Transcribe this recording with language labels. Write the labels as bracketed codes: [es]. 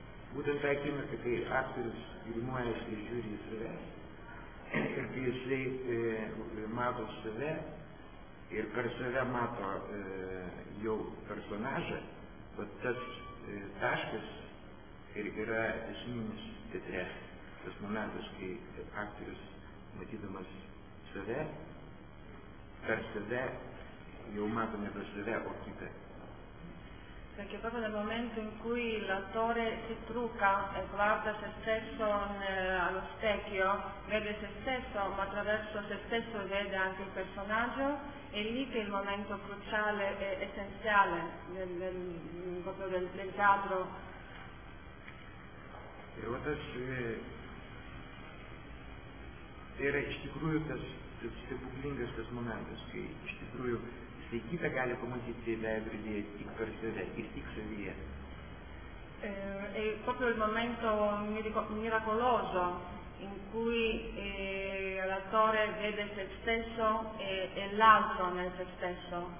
[lt] Būtent tą akimirką, kai aktorius grimuojasi ir žiūri į save, ir kai jisai mato save ir per save mato jau personažą, bet tas taškas ir yra esminis teatre, tas momentas, kai aktorius matydamas save, per save jau mato nebe save, o kitą. [it] Perché proprio nel momento in cui l'attore si trucca e guarda se stesso allo specchio, vede se stesso, ma attraverso se stesso vede anche il personaggio, è lì che è il momento cruciale e essenziale del teatro. E ora era in sicuro questo pubblico, questo momento, in sicuro. [lt] Tai kitą gali pamatyti veidrodėje tik per save ir tik savyje. [it] È proprio il momento miracoloso in cui l'attore vede se stesso e l'altro nel se stesso.